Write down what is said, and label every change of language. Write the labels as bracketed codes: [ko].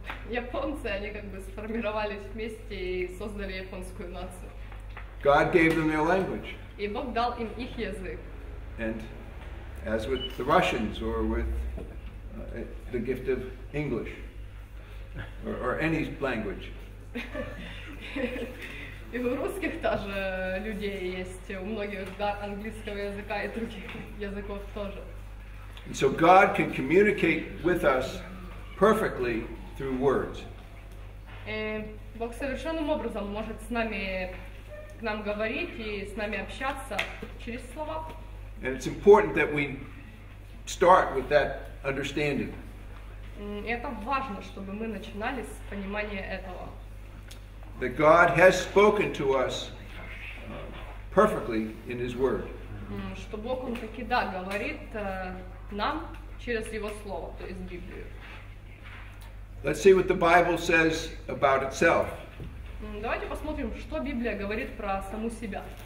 [ru] Японцы, они как бы сформировались вместе и создали японскую нацию. [en] God gave them their language. [ru] И Бог дал им их язык. [en] And as with the Russians or with the gift of English or any language. [ru] И у русских тоже людей есть, у многих дар английского языка и других языков тоже. [en] And so God can communicate with us perfectly through words. [ru] И Бог совершенным образом может с нами, к нам говорить и с нами общаться через слова. [en] And it's important that we start with that understanding. [ru] И это важно, чтобы мы начинали с понимания этого. [en] That God has spoken to us perfectly in His Word. [ru] Что Бог, Он таки, да, говорит нам через Его Слово, то есть Библию. [en] Let's see what the Bible says about itself. [ru] Давайте посмотрим, что Библия говорит про саму себя.